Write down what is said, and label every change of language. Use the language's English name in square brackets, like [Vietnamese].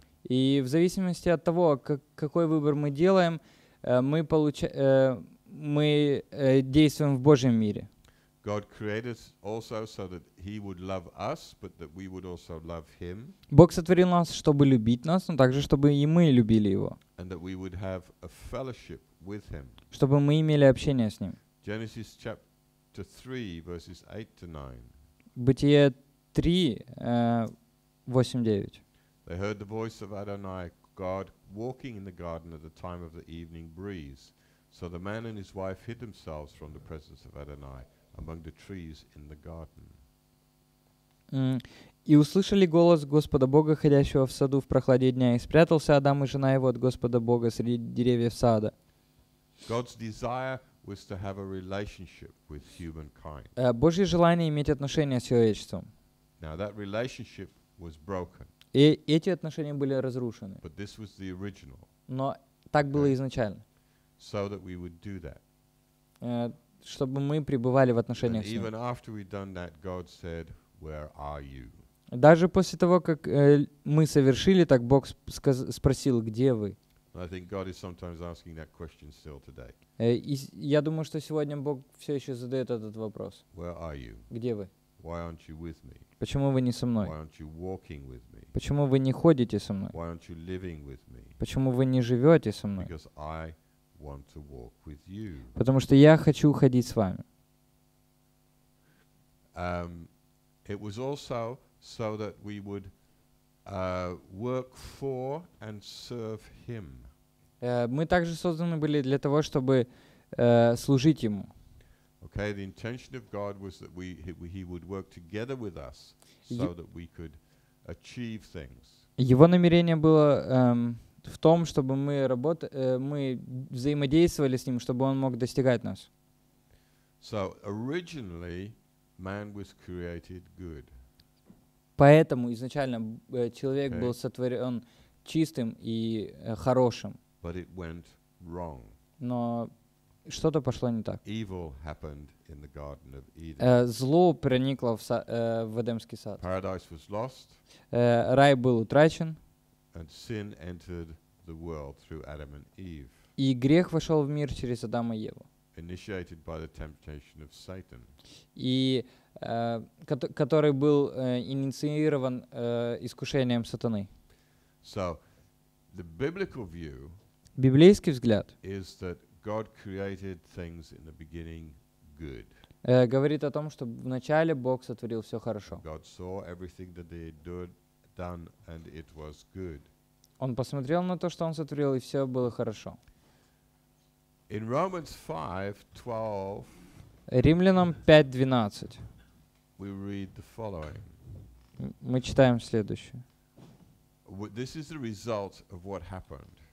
[Russian] И в зависимости от того, какой выбор мы делаем, мы получаем... Мы действуем в Божьем мире. [English] God created us also so that He would love us, but that we would also love Him. [Russian] Бог сотворил нас, чтобы любить нас, но также чтобы и мы любили Его. [English] And that we would have a fellowship with Him. [Russian] Чтобы мы имели общение с Ним. [English] Genesis chapter 3, verses 8 to 9. [Russian] Бытие 3, 8-9. [English] They heard the voice of Adonai God walking in the garden at the time of the evening breeze. So the man and his wife hid themselves from the presence of Adonai among the trees in the garden. [Russian] И услышали голос Господа Бога, ходящего в саду в прохладе дня, и спрятался Адам и жена его от Господа Бога среди деревьев сада. [English] God's desire was to have a relationship with humankind. [Russian] Божье желание иметь отношения с человечеством. [English] Now that relationship was broken. [Russian] И эти отношения были разрушены. [English] But this was the original. [Russian] Но так было изначально. [English] So that we would do that. [Russian] Чтобы мы пребывали в отношениях с ним. [English] Even after we'd done that, God said, "Where are you?" [Russian] Даже после того, как мы совершили так, Бог спросил, где вы? [English] I think God is sometimes asking that question still today. [Russian] Я думаю, что сегодня Бог все еще задает этот вопрос. [English] Where are you? [Russian] Где вы? [English] Why aren't you with me? [Russian] Почему вы не со мной? [English] Why aren't you walking with me? [Russian] Почему вы не ходите со мной? [English] Why aren't you living with me? [Russian] Почему вы не живете со мной? [English] Because I want to walk with you. [Russian] Потому что я хочу ходить с вами. [English] It was also so that we would work for and serve him. [Russian] Мы также созданы были для того, чтобы служить ему. [English] Okay, the intention of God was that he would work together with us so that we could achieve things. [Russian] Его намерение было в том, чтобы мы взаимодействовали с ним, чтобы он мог достигать нас. [English] So originally man was created good. [Russian] Поэтому изначально человек okay. был сотворен чистым и хорошим. [English] But it went wrong. [Russian] Но что-то пошло не так. [English] Evil happened in the Garden of Eden. [Russian] Зло проникло в Эдемский сад. [English] Paradise was lost. [Russian] Рай был утрачен. [English] And sin entered the world through Adam and Eve. [Russian] И грех вошел в мир через Адама и Еву. [English] Initiated by the temptation of Satan. [Russian] И который был инициирован искушением сатаны. [English] So, the biblical view [Russian] библейский взгляд [English] is that God created things in the beginning good. [Russian] Говорит о том, что вначале Бог сотворил все хорошо. [English] God saw everything that they had done and it was good. [Russian] Он посмотрел на то, что он сотворил, и все было хорошо. [English] In Romans 5:12, [Russian] Римлянам 5:12. [English] We read the following. [Russian] Мы читаем следующее. [English] This is the result of what happened.